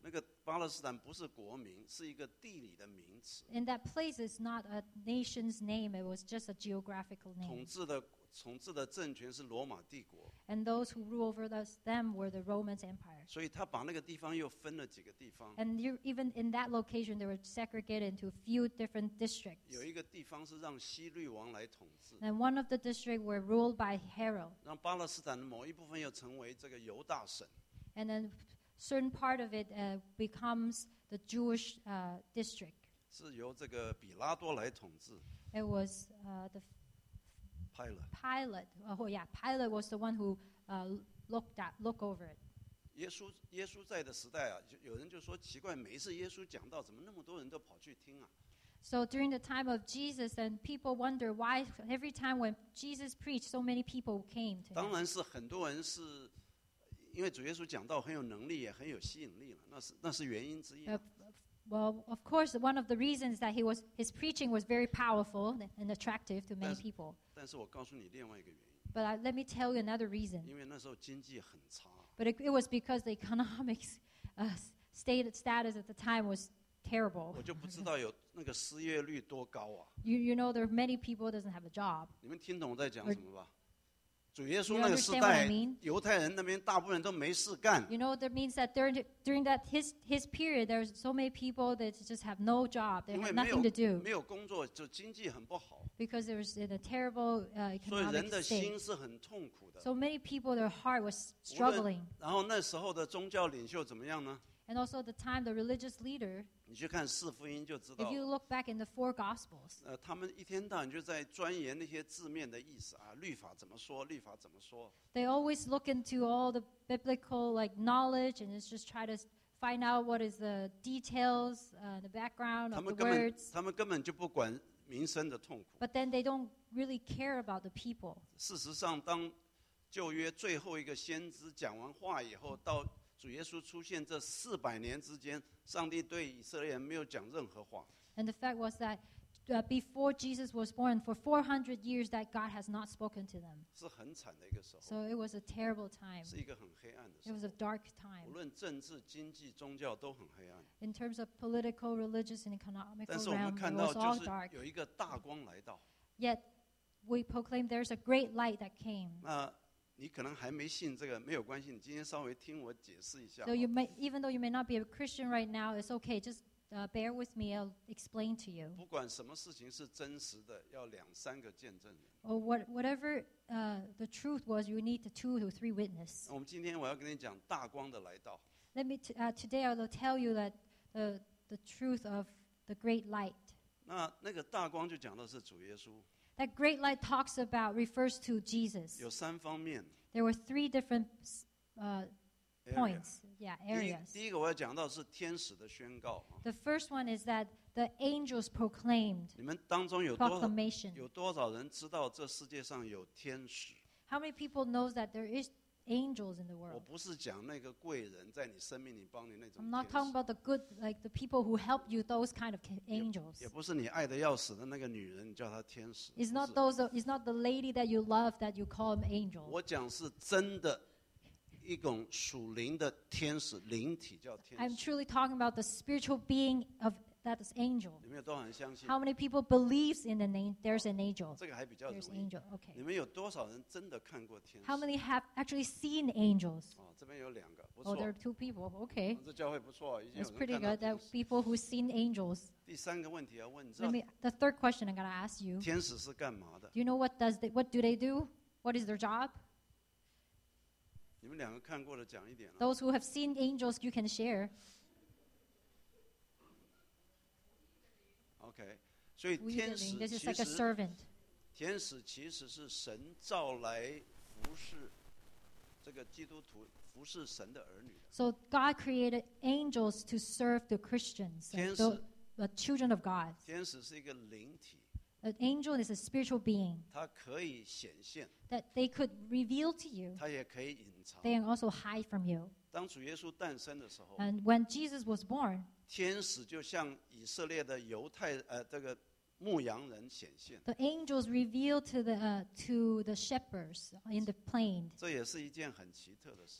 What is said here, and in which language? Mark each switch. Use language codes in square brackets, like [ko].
[zh] 那个巴勒斯坦不是国名，是一个地理的名词。 [en] And that place is not a nation's name; it was just a geographical name. [zh] 统治的政权是罗马帝国。 [en] And those who rule over them were the Roman Empire. [zh] 所以他把那个地方又分了几个地方。 [en] And even in that location, they were segregated into a few different districts. [zh] 有一个地方是让希律王来统治。 [en] And one of the districts were ruled by Herod. [zh] 让巴勒斯坦的某一部分又成为这个犹大省。 [en] And then certain part of it becomes the Jewish district. [zh] 是由这个比拉多来统治。 [en] It was the Pilate. Pilate. Oh yeah, Pilate was the one who look over it. [zh] 耶稣在的时代啊，有人就说奇怪，每一次耶稣讲到，怎么那么多人都跑去听啊？ [en] So during the time of Jesus, and people wonder why every time when Jesus preached, so many people came to him. [zh] 当然是很多人是。因为主耶稣讲道很有能力，也很有吸引力了，那是原因之一。 [en] Well, of course, one of the reasons that his preaching was very powerful and attractive to many people. [zh] 但是我告诉你另外一个原因。 [en] But let me tell you another reason. [zh] 因为那时候经济很差。 [en] But it was because the economic status at the time was terrible. [zh] 我就不知道有那个失业率多高啊。 [en] You know, there are many people who doesn't have a job. [zh] 你们听懂我在讲什么吧？主耶稣那个时代，犹太人那边大部分都没事干。 [en] You know that means that during that his period, there's so many people that just have no job, they have nothing to do. [zh] 没有工作，就经济很不好。 [en] Because there was in a terrible economic state. [zh] 所以人的心是很痛苦的。 [en] So many people, their heart was struggling. [zh] 然后那时候的宗教领袖怎么样呢？ [en] And also at the time, the religious leader. [zh] 你去看四福音就知道。 [en] If you look back in the four gospels. [zh] 他们一天到晚就在钻研那些字面的意思啊，律法怎么说，律法怎么说。 [en] They always look into all the biblical like knowledge and just try to find out what is the details, the background of the words. [zh] 他们根本就不管民生的痛苦。 [en] But then they don't really care about the people. [zh] 事实上，当旧约最后一个先知讲完话以后，到主耶稣出现这四百年之间，上帝对以色列人没有讲任何话。 [en] And the fact was that before Jesus was born, for 400 years that God has not spoken to them. [zh] 是很惨的一个时候。 [en] So it was a terrible time. [zh] 是一个很黑暗的时候。 [en] It was a dark time. [zh] 无论政治、经济、宗教都很黑暗。 [en] In terms of political, religious, and economic realm, it was all dark. [zh] 但是我们看到就是有一个大光来到。 [en] Yet we proclaim there's a great light that came. [zh] 你可能还没信这个，没有关系。你今天稍微听我解释一下。 [en] So you may, even though you may not be a Christian right now, it's okay. Just bear with me. I'll explain to you. [zh] 不管什么事情是真实的，要两三个见证人。 [en] Or whatever the truth was, you need two or three witnesses. [zh] 我们今天我要跟你讲大光的来到。 [en] Let me today I'll tell you that the truth of the great light. [zh] 那个大光就讲的是主耶稣。 [en] That great light talks about refers to Jesus. [zh] 有三方面。 [en] There were three different points, area. Yeah, areas. [zh] 第一个我要讲到是天使的宣告。 [en] The first one is that the angels proclaimed. [zh] 你们当中有多少 [en] proclamation? [zh] 有多少人知道这世界上有天使？ [en] How many people know that there is angels in the world? [zh] 我不是讲那个贵人在你生命里帮你那种天使。 [en] I'm not talking about the good, like the people who help you, those kind of angels. [zh] 也不是你爱的要死的那个女人，你叫她天使。 [en] It's not the lady that you love that you call them angels. [zh] 我讲是真的，一种属灵的天使，灵体叫天使。 [en] I'm truly talking about the spiritual being of that is angel. [zh] 你们有多少人相信 [en] ？How many people believes in the name? There's an angel. [zh] 这个还比较容易。 [en] There's angel. Okay. [zh] 你们有多少人真的看过天使 [en] ？How many have actually seen angels? [zh] 哦，这边有两个，不错。 [en] Oh, there are two people. Okay. [zh] 这教会不错，已经有人看到。 [en] It's pretty good that people who seen angels. [zh] 第三个问题要问， [en] the third question I'm gonna ask you. [zh] 天使是干嘛的 [en] ？Do you know what do they do? What is their job? [zh] 你们两个看过的讲一点。 [en] Those who have seen angels, you can share. [zh] Okay, 所以天使其实 [en] like a servant. [zh] 天使其实是神召来服侍这个基督徒服侍神的儿女的。 [en] So God created angels to serve the Christians, the children of God. [zh] 天使是一个灵体。 [en] An angel is a spiritual being. [zh] 它可以显现。 [en] That they could reveal to you. [zh] 它也可以隐藏。 [en] They can also hide from you. [zh] 当主耶稣诞生的时候。 [en] And when Jesus was born. [zh] 天使就像以色列的犹太这个牧羊人显现。 [en] The angels reveal to the shepherds in the plain. [zh] 这也是一件很奇特的事。